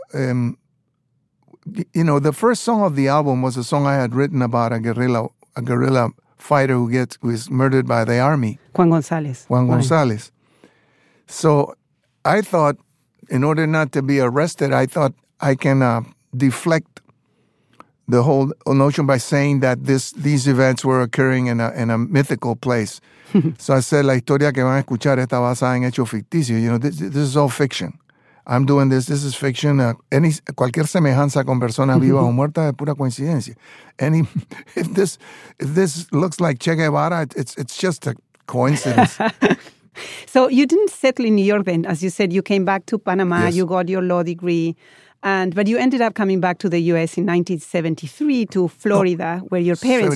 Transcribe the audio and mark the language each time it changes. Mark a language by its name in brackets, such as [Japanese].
[English] The first song of the album was a song I had written about a guerrilla fighter who is murdered by the army. Juan González. So I thought, in order not to be arrested, I thought I can deflect the whole notion by saying that these events were occurring in a mythical place. So I said, [Spanish] la historia que van a escuchar está basada en hechos ficticios. [English] This is all fiction. I'm doing this. This is fiction. [Spanish] Cualquier semejanza con persona viva o muerta es pura coincidencia. [English] If this looks like Che Guevara, it's just a coincidence. So you didn't settle in New York then. As you said, you came back to Panama. Yes. You got your law degree. But you ended up coming back to the U.S. in 1973 to Florida, where your parents